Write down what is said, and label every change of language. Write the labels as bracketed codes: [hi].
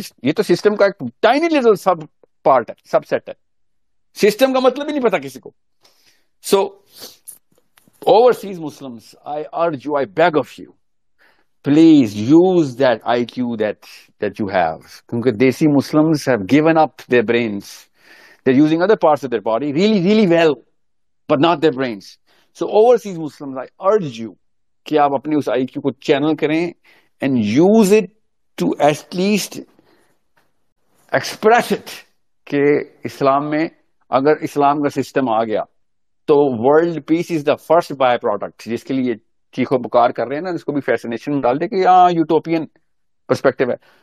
[ur] یہ تو سسٹم کا ایک ٹائنی لٹل سب پارٹ ہے, سب سیٹ ہے. سسٹم کا مطلب ہی نہیں پتا کسی کو. [en] So overseas Muslims, I beg of you, please use that I Q that you have, کیونکہ desi Muslims have given up their brains. They are using other parts of their body really really well, but not their brains. So overseas Muslims, I urge you [ur] کہ آپ اپنے اس آئی کیو کو channel کریں [en] and use it to at least [ur] express it کہ اسلام میں اگر اسلام کا system آ گیا تو [en] world peace is the first byproduct, [ur] جس کے لیے چیخو پکار کر رہے ہیں نا, اس کو بھی فیسینیشن ڈال دے کہ ہاں یوٹوپین پرسپیکٹو ہے.